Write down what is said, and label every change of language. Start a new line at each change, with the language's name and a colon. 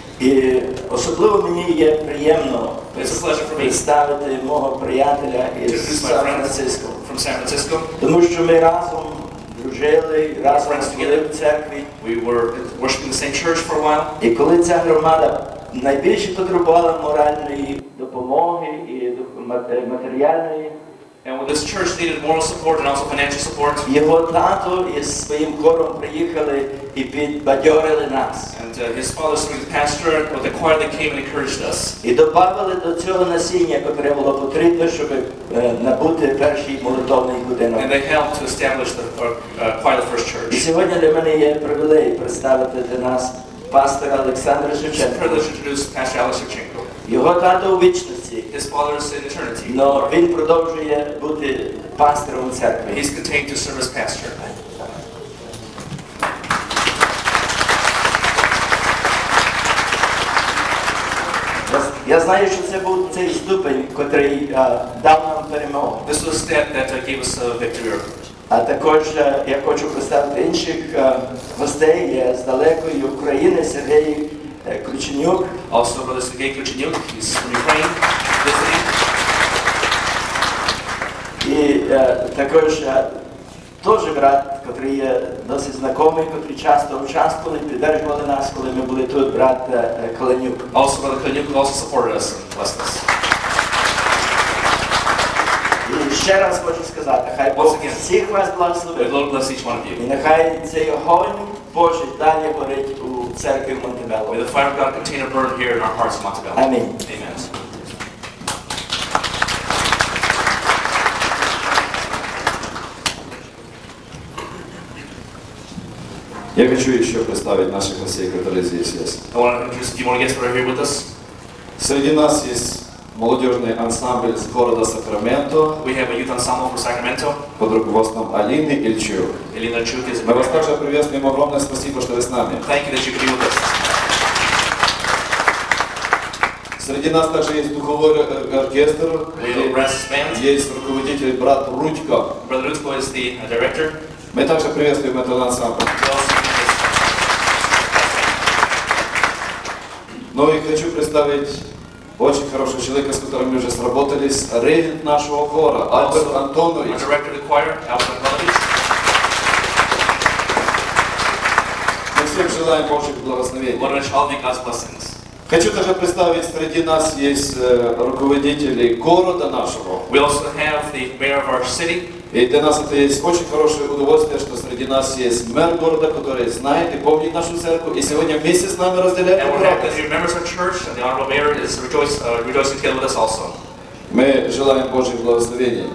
Ukrainian: І особливо мені є приємно представити мого приятеля із
English: Сан-Франциско. From San Francisco.
Ukrainian: Тому що ми разом дружили, разом були в церкві.
English: We were worshiping the same church for a while.
Ukrainian: І коли ця громада найбільше потребувала моральної допомоги і матеріальної.
English: And well, this church needed moral support and also financial support.
Ukrainian: Його тато із своїм хором приїхали і підбадьорили нас.
English: And his father, so his pastor, with the choir that came and encouraged us.
Ukrainian: І добавили до цього насіння, яке було потрібно, щоб набути перший молитовний будинок.
English: And they helped to establish the choir, the first church.
Ukrainian: І сьогодні для мене є привілей представити для нас пастора Олександра Шевченка.
English: It's a privilege to introduce Pastor Alex Shevchenko.
Ukrainian: Його тато у вічності.
English: His father is in eternity.
Ukrainian: Но він продовжує бути пастором у церкві.
English: He's continuing to serve as pastor.
Ukrainian: Я знаю, що це був цей ступень, котрий дав нам перемогу.
English: This was a step that gave us a victory.
Ukrainian: А також я хочу представити інших гостей. Я з далекої України, Сергій Ключенюк.
English: Also, Brother Sergei Ключенюк, he's from Ukraine, visiting.
Ukrainian: І також теж брат, котрий є досить знайомий, котрий часто участвували, підтримували нас, коли ми були тут, брат Каленюк.
English: Also, Brother Каленюк also supported us and blessed us.
Ukrainian: Ще раз хочу сказати, хай Бог всіх вас благословить. І нехай цей огонь Божий далі горить у церкві в Монтебелло.
English: May the fire of God continue to burn here in our hearts in Montebello.
Ukrainian: Амінь.
English: Amen.
Ukrainian: Я хочу ще представити наших гостей, які здесь є.
English: I want to introduce a few more guests that are here with us.
Ukrainian: Серед нас є молодіжний ансамбль з города Сакраменто.
English: We have a youth ensemble from Sacramento.
Russian: Под руководством Аліни Ільчук.
Ukrainian: Еліна Чук. Ми вас також привітаємо.
Russian: Огромне спасибо,
Ukrainian: що ви з нами.
English: Thank you that you could be with us.
Ukrainian: Серед нас також є духовий оркестр.
English: We have a brass band.
Ukrainian: Є руководитель брат Рудько.
English: Brother Rudko is the director.
Ukrainian: Ми також привітаємо цей ансамбль. Ну і хочу представити дуже хороший чоловік, з яким ми вже зроботились, регент нашого хора, Альберт Антонович.
English: Director of the choir, Альберт Антонович.
Ukrainian: Ми всім желаємо Божих благословень.
English: Lord, wish all of you God's blessings.
Ukrainian: Хочу також представити, серед нас є руководителі города нашого.
English: We also have the mayor of our city.
Ukrainian: І для нас це є дуже хороше удовольствие, що серед нас є мер города, який знає і пам'ятає нашу церкву, і сьогодні місяць з нами розділяє
English: And we're happy that he remembers our church, and the honorable mayor is rejoicing together with us also.
Ukrainian: Ми желаємо Божих благословень.